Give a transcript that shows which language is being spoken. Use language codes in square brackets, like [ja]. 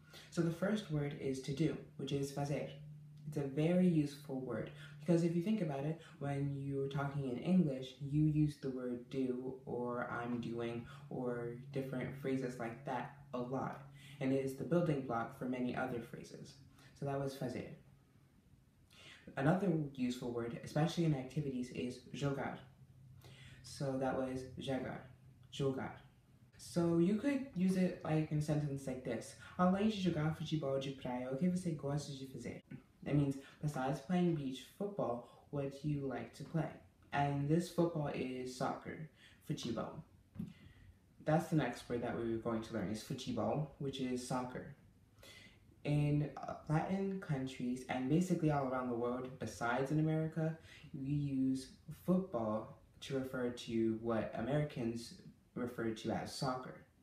[en] So the first word is to do, which is fazer. It's a very useful word, because if you think about it, when you're talking in English, you use the word do, or I'm doing, or different phrases like that a lot, and it is the building block for many other phrases. So that was fazer. Another useful word, especially in activities, is jogar. So that was jogar, jogar. So you could use it like in a sentence like this. [pt] Além de jogar futebol de praia, o que você gosta de fazer? [en] That means, besides playing beach football, what do you like to play? And this football is soccer, futebol. That's the next word that we were going to learn, is futebol, which is soccer. In Latin countries, and basically all around the world, besides in America, we use football to refer to what Americans refer to as soccer.